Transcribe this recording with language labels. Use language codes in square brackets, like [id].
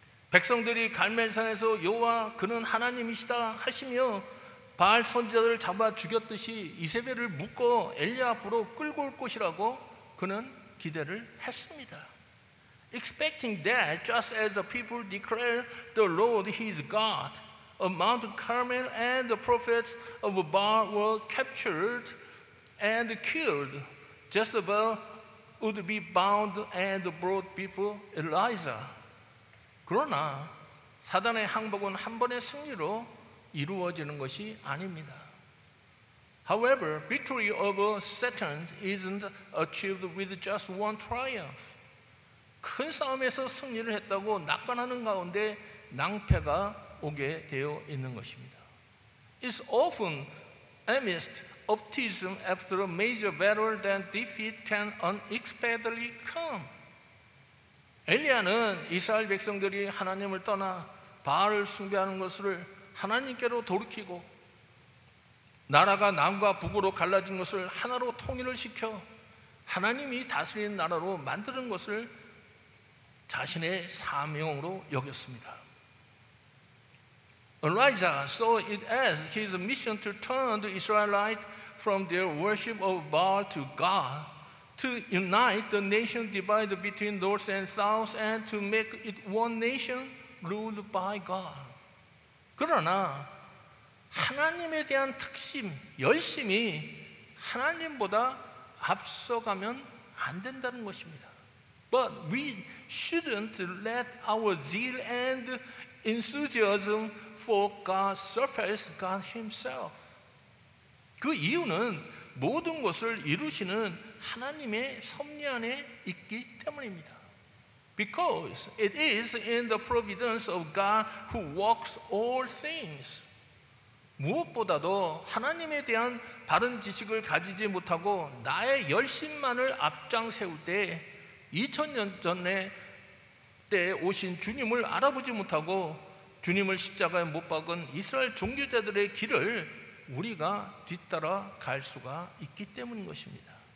[ko] 백성들이 갈멜산에서 여호와 그는 하나님이시다 하시며 바알 선지자들을 잡아 죽였듯이 이세벨을 묶어 엘리야 앞으로 끌고 올 것이라고 그는 기대를 했습니다. [en] Expecting that just as the people declare the Lord his God, a Mount Carmel and the prophets of Baal were captured and killed, Jezebel would be bound and brought before Elisha. [ko] 그러나 사단의 항복은 한 번의 승리로 이루어지는 것이 아닙니다. [en] However, victory over Satan isn't achieved with just one triumph. [ko] 큰 싸움에서 승리를 했다고 낙관하는 가운데 낭패가 오게 되어 있는 것입니다. [en] It's often amidst optimism after a major battle that defeat can unexpectedly come. [ko] 엘리야는 이스라엘 백성들이 하나님을 떠나 바알을 숭배하는 것을 하나님께로 돌이키고 나라가 남과 북으로 갈라진 것을 하나로 통일을 시켜 하나님이 다스리는 나라로 만드는 것을 자신의 사명으로 여겼습니다. [en] Elijah saw it as his mission to turn the Israelites from their worship of Baal to God, to unite the nation divided between north and south, and to make it one nation ruled by God. [ko] 그러나 하나님에 대한 특심, 열심이 하나님보다 앞서가면 안 된다는 것입니다. [en] But we shouldn't let our zeal and enthusiasm for God surpass God himself. [ko] 그 이유는 모든 것을 이루시는 하나님의 섭리 안에 있기 때문입니다. [en] Because it is in the providence of God who works all things. [ko] 무엇보다도 하나님에 대한 바른 지식을 가지지 못하고 나의 열심만을 앞장세울 때 2000년 전에 때 오신 주님을 알아보지 못하고 주님을 십자가에 못 박은 이스라엘 종교자들의 길을 우리가 뒤따라 갈 수가 있기 때문인 것입니다.